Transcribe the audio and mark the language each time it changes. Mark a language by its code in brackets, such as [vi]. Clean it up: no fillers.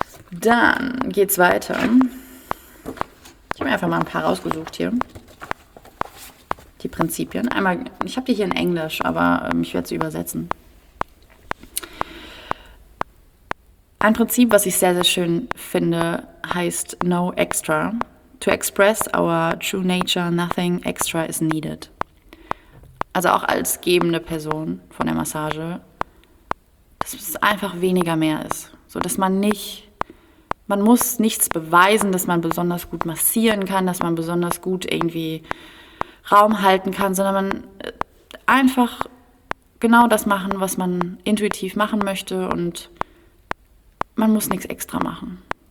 [de] Dann geht's weiter. Ich habe mir einfach mal ein paar rausgesucht hier. Die Prinzipien. Einmal, ich habe die hier in Englisch, aber ich werde sie übersetzen. Ein Prinzip, was ich sehr, sehr schön finde, heißt No Extra. [en] To express our true nature, nothing extra is needed. [de] Also auch als gebende Person von der Massage, dass es einfach weniger mehr ist. So, dass man nicht, man muss nichts beweisen, dass man besonders gut massieren kann, dass man besonders gut irgendwie Raum halten kann, sondern man einfach genau das machen, was man intuitiv machen möchte, und man muss nichts extra machen.